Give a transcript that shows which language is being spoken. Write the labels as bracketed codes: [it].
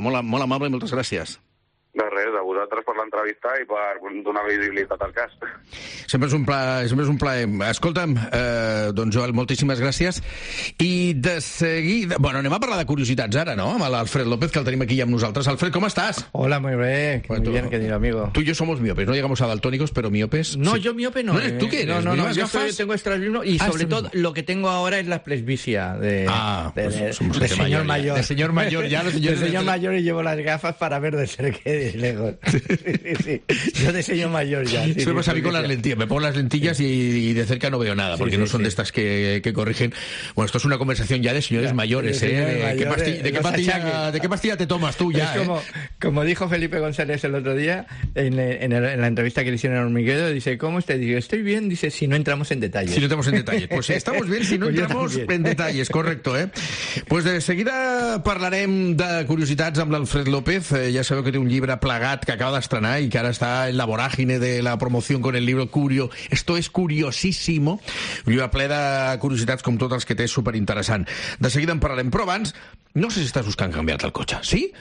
[ca] Molt, molt amable i moltes gràcies. De res, a vosaltres per l'entrevista i per donar visibilitat al cas. Sempre és un plaer. Escolta'm, doncs, Joel, moltíssimes gràcies. I de seguida... Bueno, anem a parlar de curiositats ara, no?, amb l'Alfred López, que el tenim aquí amb nosaltres. Alfred, com estàs? [es] Hola, muy bien. Bueno, muy bien, querido amigo. Tú y yo somos miopes. No llegamos a daltónicos, pero miopes... No, sí. Yo miope no. ¿Tú qué eres? No, yo tengo estrabismo y sobre todo lo que tengo ahora es la presbicia de señor mayor. De señor mayor, ya. De señor mayor y llevo las gafas para ver de cerca y de lejos. Sí. Yo de señor mayor ya. Sí, pasa a mí con las lentillas. Me pongo las lentillas y de cerca no veo nada, porque no son de estas que corrigen. Bueno, esto es una conversación ya de señores mayores, ¿eh? ¿De qué pastilla te tomas tú ya? Es como, como dijo Felipe González el otro día en la entrevista que le hicieron a Hormiguero, dice, ¿cómo usted? Dice, estoy bien, dice, si no entramos en detalles. Si no entramos en detalles. Pues estamos bien si no entramos en detalles, correcto, ¿eh? [ca] Pues de seguida parlarem de curiositats amb l'Alfred López. Ja sabeu que té un llibre plegat que acaba d'estrenar i que ara està en la voràgine de la promoció [es] con el libro Curio. Esto es curiosísimo. [ca] Un llibre ple de curiositats com tots els que té, superinteressant. De seguida en parlarem, però abans, no sé si estàs buscant canviar-te el cotxe. Sí?